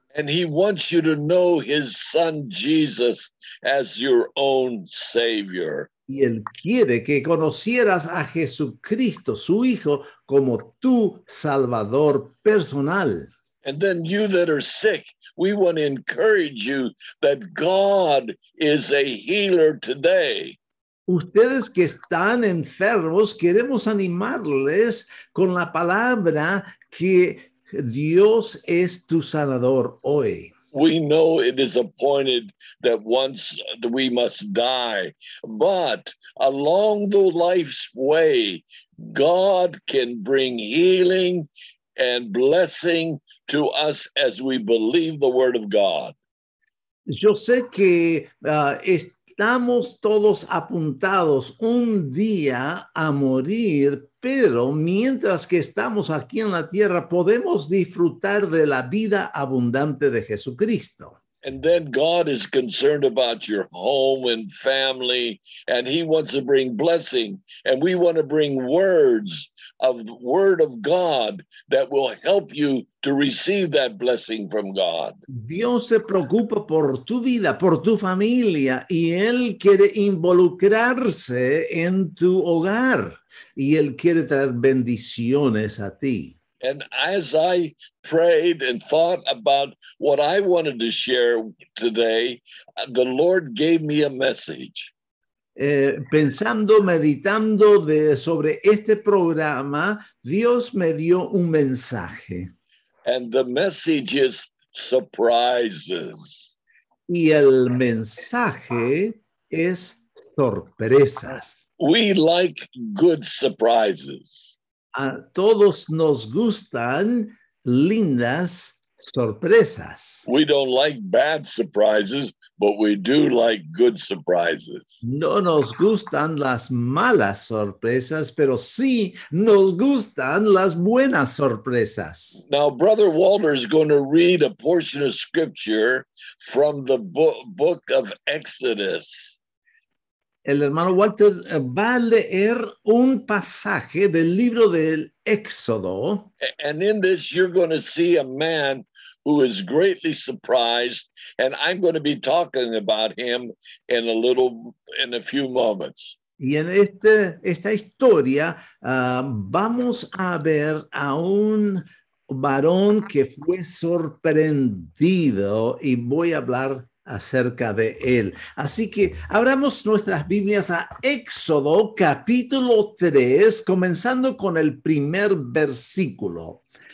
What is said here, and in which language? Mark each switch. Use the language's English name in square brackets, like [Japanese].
[English] And he wants you to know his son Jesus as your own Savior. [Spanish] Y él quiere que conocieras a Jesucristo, su Hijo, como tu Salvador personal. [English] And then you that are sick, we want to encourage you that God is a healer today. [Spanish] Ustedes que están enfermos, queremos animarles con la palabra que Dios es tu sanador hoy. [English] We know it is appointed that once we must die, but along the life's way, God can bring healing and blessing to us as we believe the word of God. [Spanish] Yo sé que estamos todos apuntados un día a morir, pero mientras que estamos aquí en la tierra, podemos disfrutar de la vida abundante de Jesucristo. [English] And then God is concerned about your home and family, and he wants to bring blessing, and we want to bring word of God that will help you to receive that blessing from God. [Spanish] Dios se preocupa por tu vida, por tu familia, y él quiere involucrarse en tu hogar, y él quiere traer bendiciones a ti. [English] And as I prayed and thought about what I wanted to share today, the Lord gave me a message. [Spanish] Pensando, meditando sobre este programa, Dios me dio un mensaje. [English] And the message is surprises. [Spanish] Y el mensaje es sorpresas. [English] We like good surprises. [Spanish] A todos nos gustan lindas sorpresas. [English] We don't like bad surprises, but we do like good surprises. [Spanish] No nos gustan las malas sorpresas, pero sí nos gustan las buenas sorpresas. [English] Now, Brother Walter is going to read a portion of scripture from the book of Exodus. [Spanish] El hermano Walter va a leer un pasaje del libro del Éxodo. [English] And in this you're going to see a man who is greatly surprised, and I'm going to be talking about him in a few moments. [Spanish] Y en esta historia vamos a ver a un varón que fue sorprendido y voy a hablar acerca de él. Así que abramos nuestras Biblias a Éxodo capítulo 3, comenzando con el primer versículo.